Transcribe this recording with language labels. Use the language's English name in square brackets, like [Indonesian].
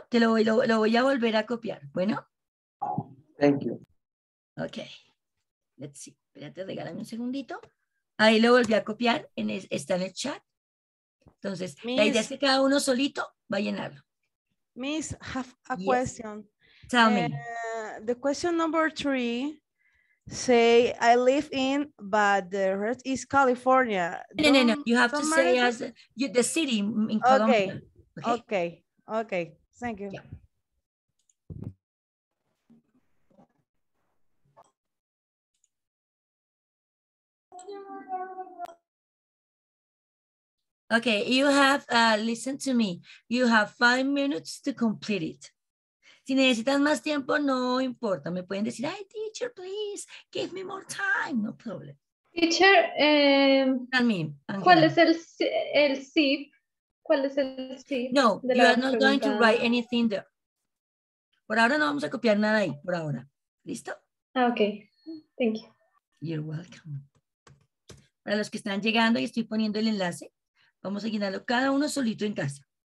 [Spanish] Te lo voy a volver a copiar, ¿bueno? [English] Thank you. Ok. Let's see, [Spanish] espérate, regálame un segundito. Ahí lo volví a copiar, está en el chat. Entonces, la idea es que cada uno solito va a llenarlo. [English] Miss, have a question. Tell me. The question number 3, say, I live in, but the rest is California. No, you have to say as the city in Colombia. Okay, thank you. Yeah. Okay, you have, listen to me, you have 5 minutes to complete it. [Spanish] Si necesitan más tiempo, no importa, me pueden decir, ay, [English] teacher, please, give me more time, no problem. Teacher, tell me, [Spanish] ¿cuál es el zip? ¿Cuál es el zip? [English] No, you are not going to write anything there. [Spanish] Por ahora no vamos a copiar nada ahí, por ahora. ¿Listo? [English] Okay, thank you. You're welcome. [Spanish] Para los que están llegando y estoy poniendo el enlace, vamos a llenarlo cada uno solito en casa.